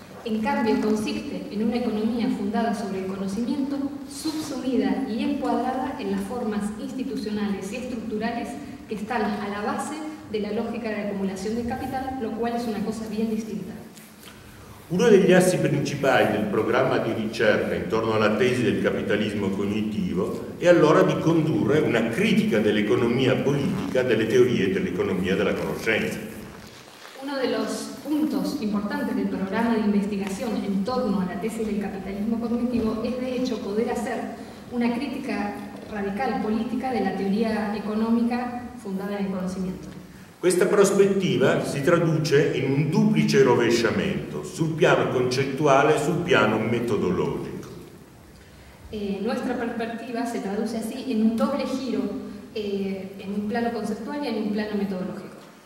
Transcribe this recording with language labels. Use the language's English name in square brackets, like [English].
[Spanish] En cambio, consiste en una economía fundada sobre el conocimiento subsumida y encuadrada en las formas institucionales y estructurales que están a la base de la lógica de acumulación de capital, lo cual es una cosa bien distinta. [Italian] Uno degli assi principali del programma di ricerca intorno alla tesi del capitalismo cognitivo è allora di condurre una critica dell'economia politica delle teorie dell'economia della conoscenza. [Spanish] Uno de los puntos importantes del programa de investigación en torno a la tesis del capitalismo cognitivo es de hecho poder hacer una crítica radical política de la teoría económica fundada en el conocimiento. [Italian] Questa prospettiva si traduce in un duplice rovesciamento sul piano concettuale e sul piano metodologico. [Spanish] Nuestra perspectiva se traduce así en un doble giro, en un plano [Italian] concettuale e in [Spanish] un plano metodologico.